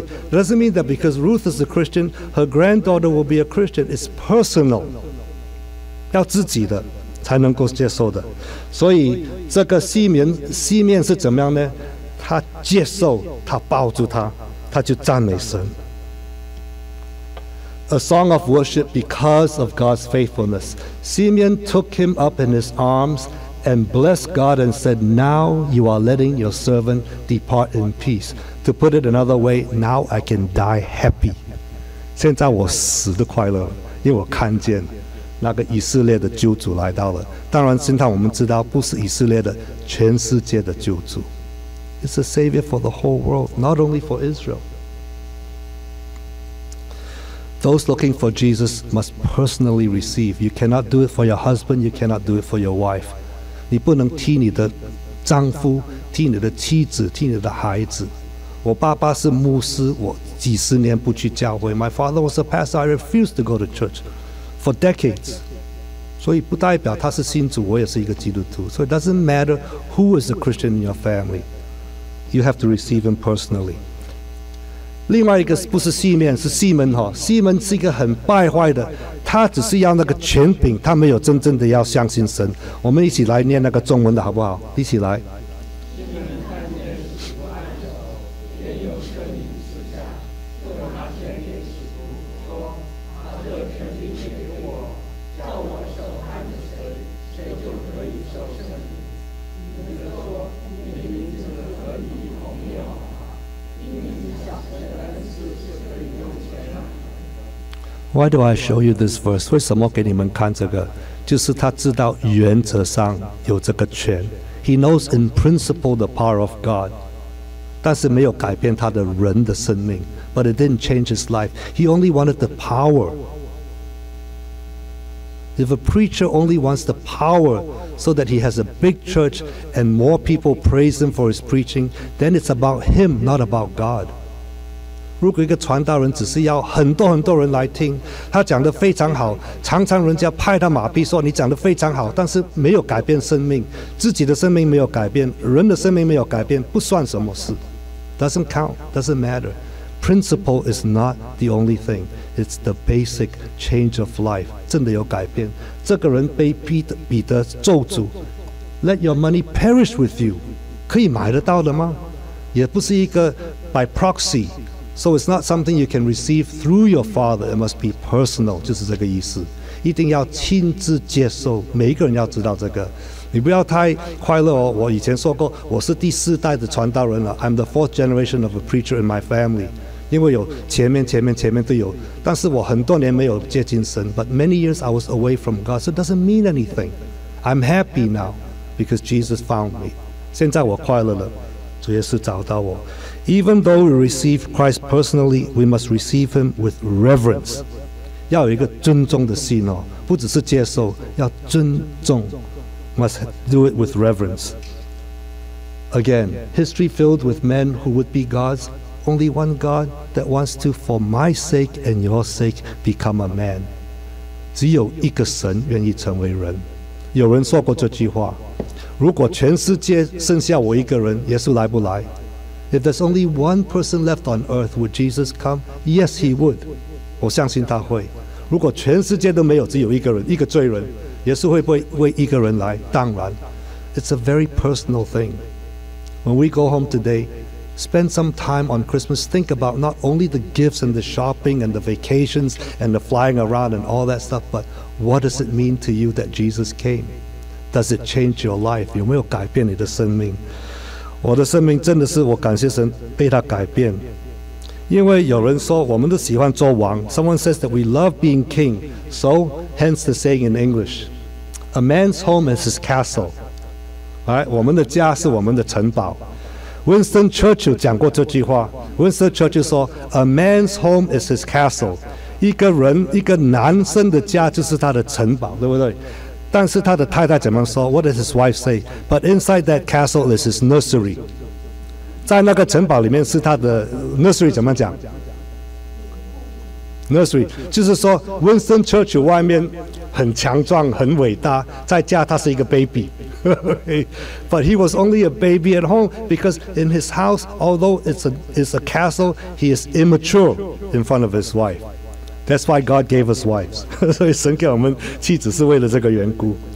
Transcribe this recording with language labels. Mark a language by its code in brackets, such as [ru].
[en] It doesn't mean that because Ruth is a Christian, her granddaughter will be a Christian. It's personal. [zh] 要自己的才能够接受的。所以这个西面是怎么样呢？他接受，他抱住他，他就赞美神。 [en] A song of worship because of God's faithfulness. Simeon took him up in his arms and blessed God and said, Now you are letting your servant depart in peace. To put it another way, now I can die happy. [zh] 现在我死得快乐，因为我看见那个以色列的救主来到了。当然，现在我们知道不是以色列的，全世界的救主。 [en] It's a savior for the whole world, not only for Israel. Those looking for Jesus must personally receive. You cannot do it for your husband, you cannot do it for your wife. [zh] 你不能替你的丈夫、替你的妻子、替你的孩子。我爸爸是牧师，我几十年不去教会。 [en] My father was a pastor, I refused to go to church for decades. [zh] 所以不代表他是信主，我也是一个基督徒。 [en] So it doesn't matter who is a Christian in your family. You have to receive him personally. [zh] 另外一个不是西面，是西门哈。西门是一个很败坏的，他只是要那个权柄，他没有真正的要相信神。我们一起来念那个中文的好不好？一起来。 [en] Why do I show you this verse? [zh] 为什么给你们看这个？就是他知道原则上有这个权。 [en] He knows in principle the power of God. [zh] 但是没有改变他的人的生命。 [en] But it didn't change his life. He only wanted the power. If a preacher only wants the power so that he has a big church and more people praise him for his preaching, then it's about him, not about God. [zh] 如果一个传道人只是要很多很多人来听，他讲得非常好，常常人家拍他马屁说你讲得非常好，但是没有改变生命，自己的生命没有改变，人的生命没有改变，不算什么事。 [en] Doesn't count, doesn't matter. Principle is not the only thing. It's the basic change of life. [zh] 真的有改变。这个人被彼得咒诅 ， [en] Let your money perish with you. [zh] 可以买得到的吗？也不是一个 [en] by proxy. So it's not something you can receive through your father. It must be personal. [zh] 就是这个意思，一定要亲自接受。每一个人要知道这个，你不要太快乐哦。我以前说过，我是第四代的传道人了。 [en] I'm the fourth generation of a preacher in my family. [zh] 因为有前面都有，但是我很多年没有接近神。 [en] But many years I was away from God, so it doesn't mean anything. I'm happy now because Jesus found me. [zh] 现在我快乐了。主耶稣找到我。 [en] Even though we receive Christ personally, we must receive him with reverence. [zh] 要有一个尊重的心哦，不只是接受，要尊重。 [en] Must do it with reverence. Again, history filled with men who would be gods. Only one God that wants to, for my sake and your sake, become a man. [zh] 只有一个神愿意成为人。有人说过这句话，如果全世界剩下我一个人，耶稣来不来？ [en] If there's only one person left on earth, would Jesus come? Yes, he would. [zh] 我相信他会。如果全世界都没有，只有一个人，一个罪人，耶稣会不会为一个人来？当然。 [en] It's a very personal thing. When we go home today, spend some time on Christmas. Think about not only the gifts and the shopping and the vacations and the flying around and all that stuff, but what does it mean to you that Jesus came? Does it change your life? [zh] 有没有改变你的生命？我的生命真的是我感谢神被他改变。因为有人说我们都喜欢做王。 [en] Someone says that we love being king. So, hence the saying in English, a man's home is his castle. [zh] Right, 我们的家是我们的城堡。Winston Churchill 讲过这句话。 [en] Winston Churchill 说 ,A man's home is his castle. [zh] 一个人，一个男生的家就是他的城堡，对不对？但是他的太太怎么说 ? [en] What does his wife say? But inside that castle is his nursery. [zh] 在那个城堡里面是他的 nursery 怎么讲 ?Nursery, 就是说 Winston Churchill 外面很强壮很伟大，在家他是一个 baby. [en] But he was only a baby at home because in his house, although it's a castle, he is immature in front of his wife. That's why God gave us wives. [zh] 所以神给我们妻子是为了这个缘故。